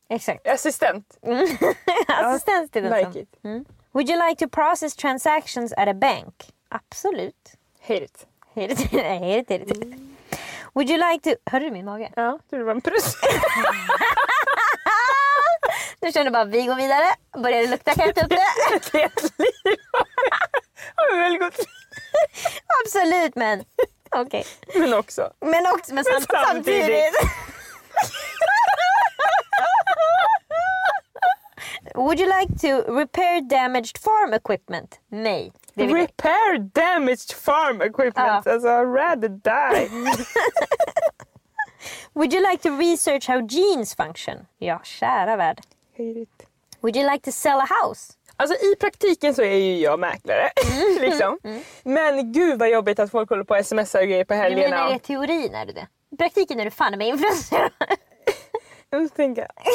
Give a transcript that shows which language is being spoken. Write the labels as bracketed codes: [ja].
[sv] Exakt. Assistent. Assistent till den [en] like [sv] som. [en] Would you like to process transactions at a bank? [sv] Absolut. [en] Hate it. Hate it. Would you like to... [sv] Hör du min mage? Ja, det var en pruss. Nu känner du bara, vi går vidare. Börjar det lukta, kan jag ta upp det? Det är ett liv. Har vi väl gått? Absolut. absolut, men okej. Okay. Men också. Men också, men samtidigt. [en] Would you like to repair damaged farm equipment? [sv] Nej. [en] Repair damaged farm equipment? Ja. Alltså, I'd rather die. Would you like to research how genes function? [sv] Ja, kära värld. [en] Would you like to sell a house? [sv] Alltså, i praktiken så är ju jag mäklare, liksom. Men gud vad jobbigt att folk håller på sms och grejer på helgerna. Du menar, det är teorin, är det det? I praktiken är du fan med influencer. Jag måste tänka.